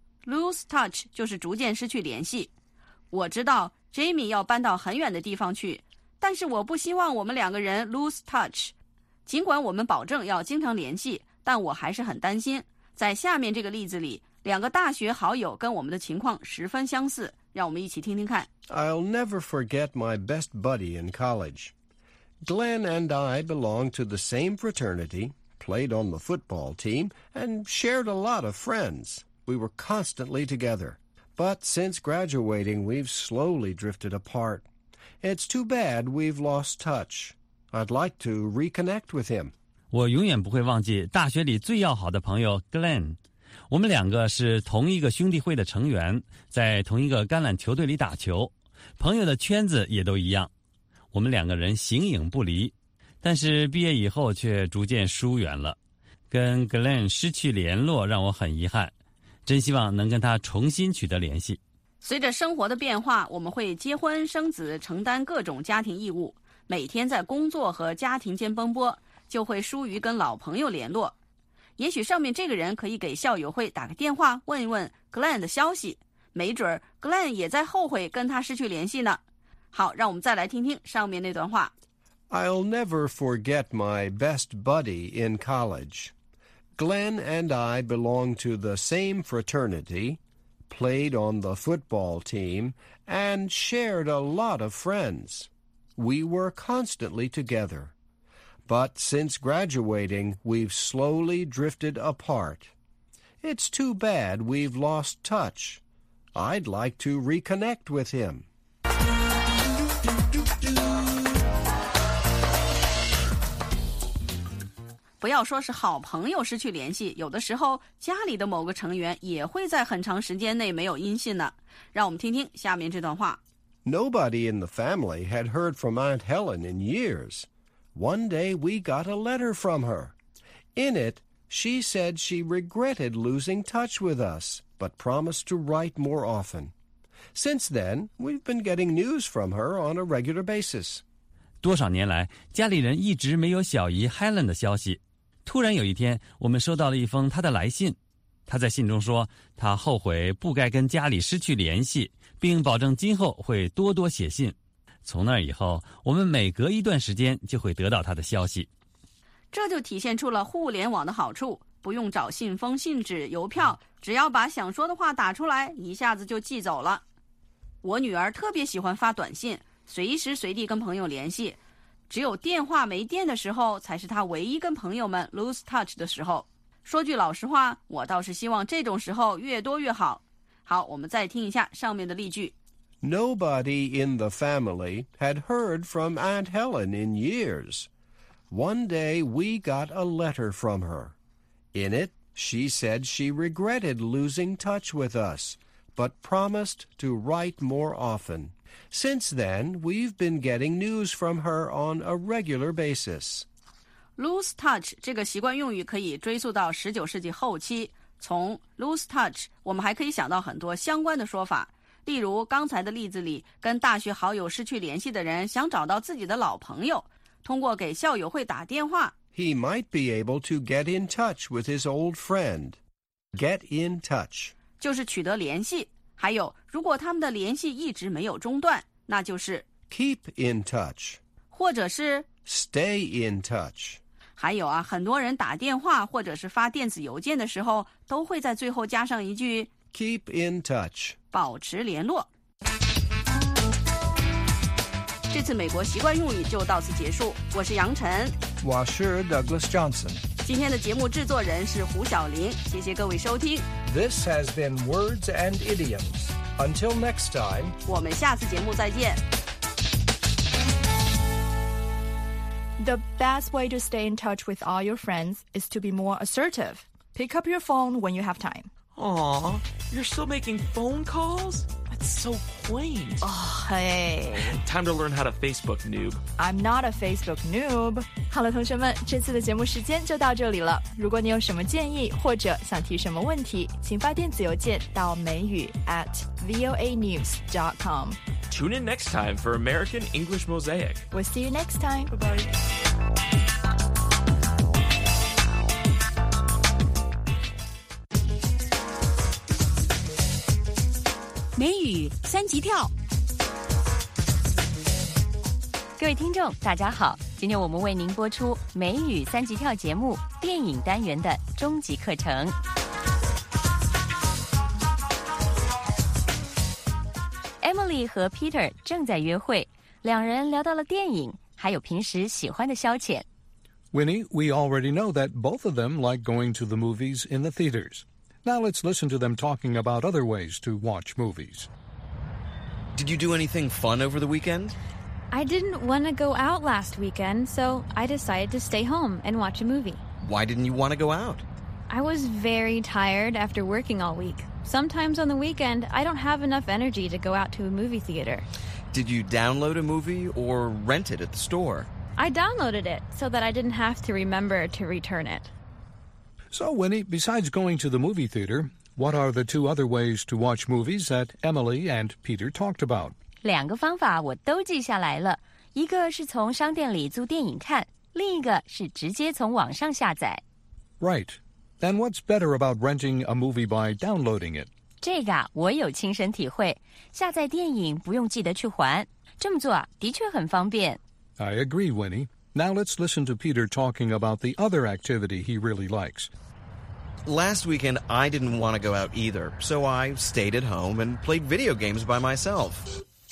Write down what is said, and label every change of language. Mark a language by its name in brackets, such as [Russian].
[Chinese] Lose touch 就是逐渐失去联系。我知道 Jamie 要搬到很远的地方去，但是我不希望我们两个人 lose touch。尽管我们保证要经常联系，但我还是很担心。在下面这个例子里，两个大学好友跟我们的情况十分相似，让我们一起听听看。 [English] I'll never forget my best buddy in college. Glenn and I belonged to the same fraternity, played on the football team, and shared a lot of friends. We were constantly together. But since graduating, we've slowly drifted apart. It's too bad we've lost touch. I'd like to reconnect with him. [Chinese] 我永远不会忘记大学里最要好的朋友 Glenn。我们两个是同一个兄弟会的成员，在同一个橄榄球队里打球，朋友的圈子也都一样，我们两个人形影不离，但是毕业以后却逐渐疏远了，跟 Glenn 失去联络让我很遗憾，真希望能跟他重新取得联系。随着生活的变化，我们会结婚生子，承担各种家庭义务，每天在工作和家庭间奔波，就会疏于跟老朋友联络。也许上面这个人可以给校友会打个电话，问一问 Glenn 的消息，没准 Glenn 也在后悔跟他失去联系呢。好，让我们再来听听上面那段话。 [English] I'll never forget my best buddy in college. Glenn and I belong to the same fraternity, played on the football team, and shared a lot of friends. We were constantly together. But since graduating, we've slowly drifted apart. It's too bad we've lost touch. I'd like to reconnect with him. [Chinese] 不要说是好朋友失去联系，有的时候家里的某个成员也会在很长时间内没有音信呢。让我们听听下面这段话。 [English] Nobody in the family had heard from Aunt Helen in years. One day we got a letter from her. In it, she said she regretted losing touch with us, but promised to write more often. Since then, we've been getting news from her on a regular basis. [Chinese] 多少年来，家里人一直没有小姨 Helen 的消息。突然有一天，我们收到了一封她的来信。她在信中说，她后悔不该跟家里失去联系，并保证今后会多多写信。从那以后，我们每隔一段时间就会得到他的消息。这就体现出了互联网的好处，不用找信封、信纸、邮票，只要把想说的话打出来，一下子就寄走了。我女儿特别喜欢发短信，随时随地跟朋友联系，只有电话没电的时候才是她唯一跟朋友们 lose touch 的时候。说句老实话，我倒是希望这种时候越多越好。好，我们再听一下上面的例句。 [English] Nobody in the family had heard from Aunt Helen in years. One day we got a letter from her. In it, she said she regretted losing touch with us, but promised to write more often. Since then, we've been getting news from her on a regular basis. [Chinese] Lose touch 这个习惯用语可以追溯到19世纪后期。从 lose touch, 我们还可以想到很多相关的说法。例如刚才的例子里，跟大学好友失去联系的人想找到自己的老朋友，通过给校友会打电话。 [English] He might be able to get in touch with his old friend. Get in touch. [Chinese] 就是取得联系。还有，如果他们的联系一直没有中断，那就是 [English] Keep in touch. [Chinese] 或者是 [English] Stay in touch. [Chinese] 还有啊，很多人打电话或者是发电子邮件的时候，都会在最后加上一句 [English] Keep in touch. [Chinese] 保持联络。这次美国习惯用语就到此结束。我是杨晨。我是 Douglas Johnson。今天的节目制作人是胡晓林。谢谢各位收听。 [English] This has been Words and Idioms. Until next time. [Chinese] 我们下次节目再见。 [English] The best way to stay in touch with all your friends is to be more assertive. Pick up your phone when you have time. Aw, you're still making phone calls? That's so quaint. Oh, hey. Time to learn how to Facebook noob. I'm not a Facebook noob. [Chinese] 好了，同学们，这次的节目时间就到这里了。如果你有什么建议或者想提什么问题，请发电子邮件到美语@voanews.com. [English] Tune in next time for American English Mosaic. We'll see you next time. Bye-bye. [Chinese] 美语三级跳。各位听众大家好，今天我们为您播出美语三级跳节目电影单元的终极课程。 Emily 和 Peter 正在约会，两人聊到了电影，还有平时喜欢的消遣。 [English] Winnie, we already know that both of them like going to the movies in the theaters. Now let's listen to them talking about other ways to watch movies. Did you do anything fun over the weekend? I didn't want to go out last weekend, so I decided to stay home and watch a movie. Why didn't you want to go out? I was very tired after working all week. Sometimes on the weekend, I don't have enough energy to go out to a movie theater. Did you download a movie or rent it at the store? I downloaded it so that I didn't have to remember to return it. So, Winnie, besides going to the movie theater, what are the two other ways to watch movies that Emily and Peter talked about? [Chinese] 两个方法我都记下来了。一个是从商店里租电影看，另一个是直接从网上下载。 [English] Right. Then what's better about renting a movie by downloading it? [Chinese] 这个我有亲身体会。下载电影不用记得去还。这么做的确很方便。 [English] I agree, Winnie. Now let's listen to Peter talking about the other activity he really likes. Last weekend, I didn't want to go out either, so I stayed at home and played video games by myself.